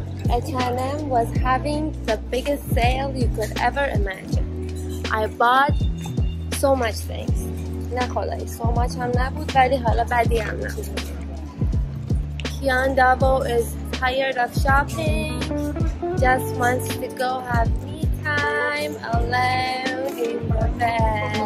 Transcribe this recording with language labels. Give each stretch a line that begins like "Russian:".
English: H&M was having the biggest sale you could ever imagine. I bought so much things.
Persian: نه خدایی
English: so much
Persian: هم نبود ولی حالا بدی هم نبود.
English: Kian Davo is tired of shopping. Just wants to go have me time alone in my bed.